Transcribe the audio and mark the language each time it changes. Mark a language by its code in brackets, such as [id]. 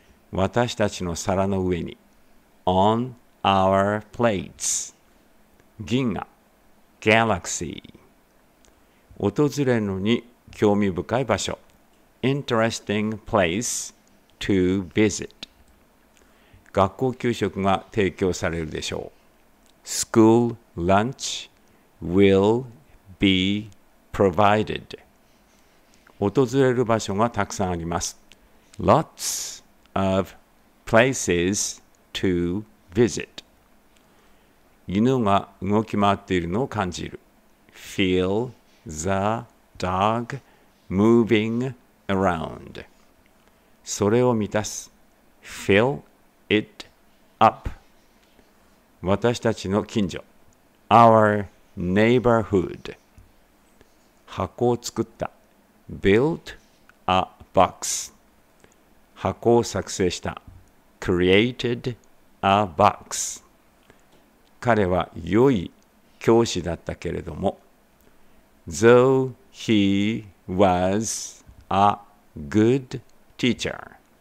[ja] 私たちの皿の上に。 [en] On our plates. [ja] 銀河。 [en] Galaxy. [ja] 訪れるのに興味深い場所。 [en] Interesting place to visit. [ja] 学校給食が提供されるでしょう。 [en] School lunch will be provided. [ja] 訪れる場所がたくさんあります。 [en] Lots of places to visit. [ja] 犬が動き回っているのを感じる。 [en] Feel the dog moving around. [ja] それを満たす。 [en] Fill it up. [ja] 私たちの近所。 [en] Our neighborhood. [ja] 箱を作った。 [en] Built a box. [ja] 箱を作成した。 [en] Created a box. [ja] 彼は良い教師だったけれども。 [en] Though he was a good teacher.